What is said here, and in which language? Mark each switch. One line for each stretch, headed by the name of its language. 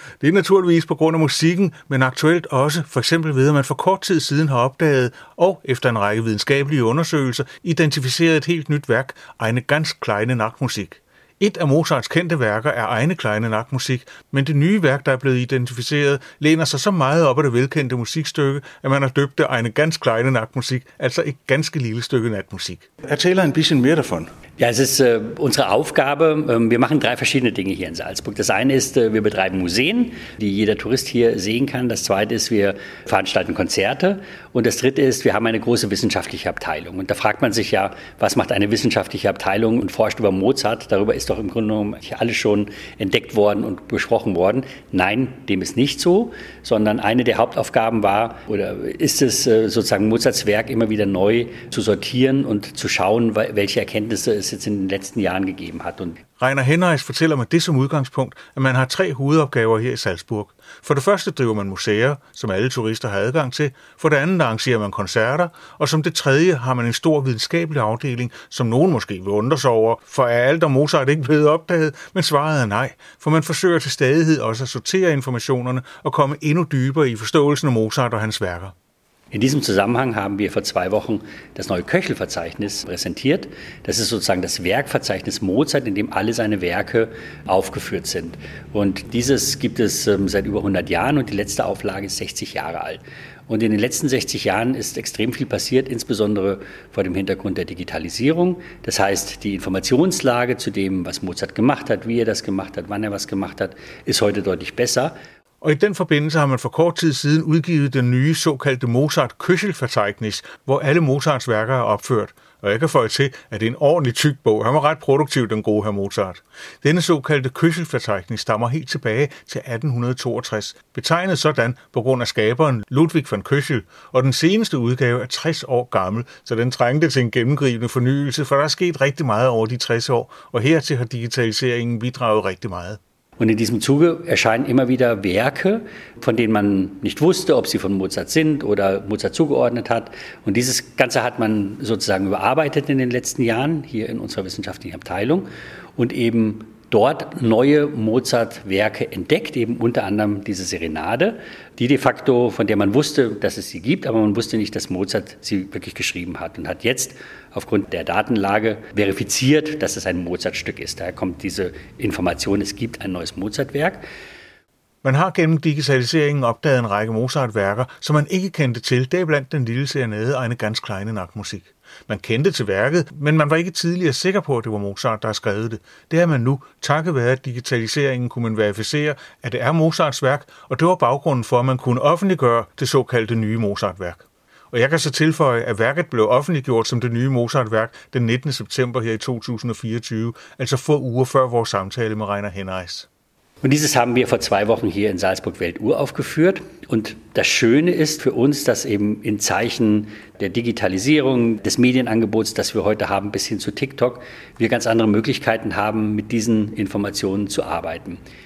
Danish: Det er naturligvis på grund af musikken, men aktuelt også for eksempel ved, at man for kort tid siden har opdaget og efter en række videnskabelige undersøgelser identificeret et helt nyt værk, Eine ganz kleine Nachtmusik. Et af Mozarts kendte værker er Eine kleine Nachtmusik, men det nye værk, der er blevet identificeret, læner sig så meget op af det velkendte musikstykke, at man har døbt det Eine ganz kleine Nachtmusik, altså et ganske lille stykke natmusik. Jeg taler en
German: bisschen
Danish: mere
German: davon. Ja, es ist unsere Aufgabe, wir machen drei verschiedene Dinge hier in Salzburg. Das eine ist, wir betreiben Museen, die jeder Tourist hier sehen kann. Das zweite ist, wir veranstalten Konzerte. Und das dritte ist, wir haben eine große wissenschaftliche Abteilung. Und da fragt man sich ja, was macht eine wissenschaftliche Abteilung und forscht über Mozart? Darüber ist doch im Grunde genommen alles schon entdeckt worden und besprochen worden. Nein, dem ist nicht so, sondern eine der Hauptaufgaben war oder ist es sozusagen Mozarts Werk immer wieder neu zu sortieren und zu schauen, welche Erkenntnisse es jetzt in den letzten Jahren gegeben hat.
Danish: Rainer Henreis fortæller mig det som udgangspunkt, at man har tre hovedopgaver her i Salzburg. For det første driver man museer, som alle turister har adgang til. For det andet arrangerer man koncerter. Og som det tredje har man en stor videnskabelig afdeling, som nogen måske vil undre sig over, for er alt om Mozart ikke blevet opdaget? Men svaret er nej, for man forsøger til stadighed også at sortere informationerne og komme endnu dybere i forståelsen af Mozart og hans værker.
German: In diesem Zusammenhang haben wir vor zwei Wochen das neue Köchel-Verzeichnis präsentiert. Das ist sozusagen das Werkverzeichnis Mozart, in dem alle seine Werke aufgeführt sind. Und dieses gibt es seit über 100 Jahren und die letzte Auflage ist 60 Jahre alt. Und in den letzten 60 Jahren ist extrem viel passiert, insbesondere vor dem Hintergrund der Digitalisierung. Das heißt, die Informationslage zu dem, was Mozart gemacht hat, wie er das gemacht hat, wann er was gemacht hat, ist heute deutlich besser.
Danish: Og i den forbindelse har man for kort tid siden udgivet den nye såkaldte Mozart-Köchel-Verzeichnis, hvor alle Mozarts værker er opført. Og jeg kan føje til, at det er en ordentlig tyk bog. Han var ret produktiv, den gode herr Mozart. Denne såkaldte Köchel-Verzeichnis stammer helt tilbage til 1862, betegnet sådan på grund af skaberen Ludwig von Köchel, og den seneste udgave er 60 år gammel, så den trængte til en gennemgribende fornyelse, for der er sket rigtig meget over de 60 år, og hertil har digitaliseringen bidraget rigtig meget.
German: Und in diesem Zuge erscheinen immer wieder Werke, von denen man nicht wusste, ob sie von Mozart sind oder Mozart zugeordnet hat. Und dieses Ganze hat man sozusagen überarbeitet in den letzten Jahren hier in unserer wissenschaftlichen Abteilung und eben dort neue Mozart-Werke entdeckt, eben unter anderem diese Serenade, die de facto, von der man wusste, dass es sie gibt, aber man wusste nicht, dass Mozart sie wirklich geschrieben hat und hat jetzt aufgrund der Datenlage verifiziert, dass es ein Mozart-Stück ist. Daher kommt diese Information, es gibt ein neues Mozart-Werk.
Danish: Man har gennem digitaliseringen opdaget en række Mozart-værker, som man ikke kendte til, deriblandt den lille serenade Eine ganz kleine Nachtmusik. Man kendte til værket, men man var ikke tidligere sikker på, at det var Mozart, der har skrevet det. Det er man nu, takket være digitaliseringen, kunne man verificere, at det er Mozarts værk, og det var baggrunden for, at man kunne offentliggøre det såkaldte nye Mozart-værk. Og jeg kan så tilføje, at værket blev offentliggjort som det nye Mozart-værk den 19. september her i 2024, altså få uger før vores samtale med Rainer Henreis.
German: Und dieses haben wir vor zwei Wochen hier in Salzburg Weltuhr aufgeführt. Und das Schöne ist für uns, dass eben in Zeichen der Digitalisierung, des Medienangebots, das wir heute haben, bis hin zu TikTok, wir ganz andere Möglichkeiten haben, mit diesen Informationen zu arbeiten.